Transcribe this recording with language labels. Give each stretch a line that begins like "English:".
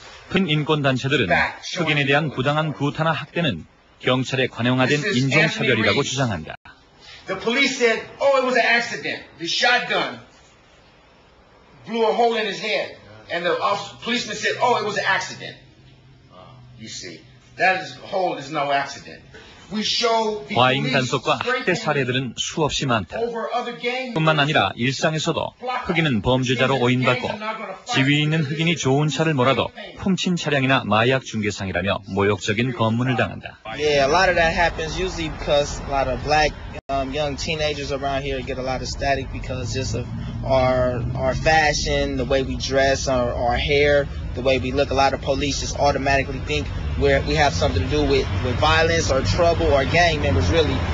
Korean: 흑인 인권단체들은 흑인에 대한 부당한 구타나 학대는 경찰에 관용화된 인종차별이라고 주장한다.
English: The police said, oh, it was an accident. The shotgun blew a hole in his head. And the policeman said, oh, it was an accident. You see, that hole is no accident.
Korean: 과잉 단속과 학대 사례들은 수없이 많다. 뿐만 아니라 일상에서도 흑인은 범죄자로 오인받고 지위 있는 흑인이 좋은 차를 몰아도 훔친 차량이나 마약 중개상이라며 모욕적인 검문을 당한다.
English: Yeah, a lot of that happens usually because a lot of black young teenagers around here get a lot of static because just of our fashion, the way we dress, our hair, the way we look. A lot of police just automatically think we have something to do with violence or trouble or gang members, really.